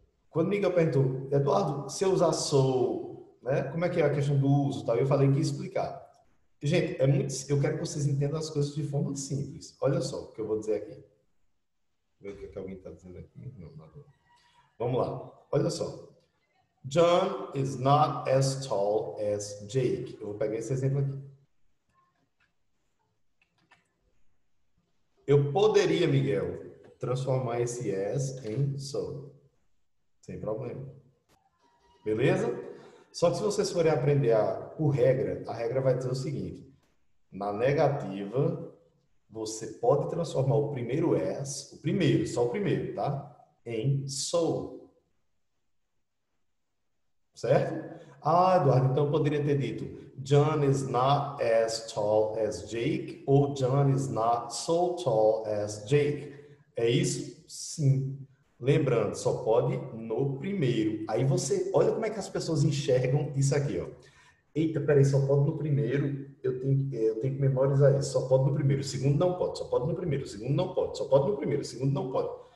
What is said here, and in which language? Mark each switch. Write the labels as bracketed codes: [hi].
[pt] Quando Miguel perguntou, Eduardo, se eu usar sou, né, como é que é a questão do uso, tal, eu falei que ia explicar. Gente, é muito, eu quero que vocês entendam as coisas de forma simples. Olha só o que eu vou dizer aqui. Ver o que é que alguém está dizendo aqui. Não, nada. Vamos lá, olha só. [en] John is not as tall as Jake. [pt] Eu vou pegar esse exemplo aqui. Eu poderia, Miguel, transformar esse as em so. Sem problema. Beleza? Só que se vocês forem aprender por regra, a regra vai dizer o seguinte: na negativa, você pode transformar o primeiro as, o primeiro, só o primeiro, tá? Em so. Certo? Ah, Eduardo, então eu poderia ter dito [en] John is not as tall as Jake ou John is not so tall as Jake. [pt] É isso? Sim. Lembrando, só pode no primeiro. Aí você, olha como é que as pessoas enxergam isso aqui, ó. Eita, peraí, só pode no primeiro. Eu tenho que memorizar isso. Só pode no primeiro. O segundo não pode. Só pode no primeiro. O segundo não pode. Só pode no primeiro. O segundo não pode.